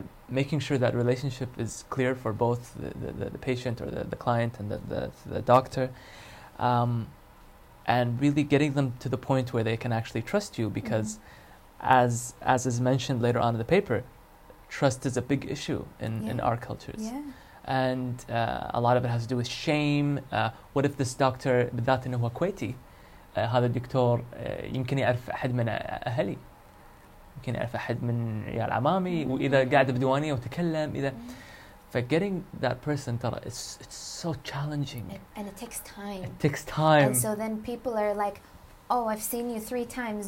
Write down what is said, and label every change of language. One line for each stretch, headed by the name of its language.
English: Making sure that relationship is clear for both the patient or the client and the doctor. And really getting them to the point where they can actually trust you, because as is mentioned later on in the paper, trust is a big issue in our cultures. Yeah. And a lot of it has to do with shame. What if this doctor,
Arabic: بالذات إنه هو كويتي, هذا الدكتور يمكن يعرف أحد من أهلي, يمكن يعرف أحد من عيال عمامي, وإذا قاعد بديوانية وتكلم, إذا
English: For getting that person, it's so challenging. And it takes time. It takes time. And so then people are like, oh, I've seen you 3 times.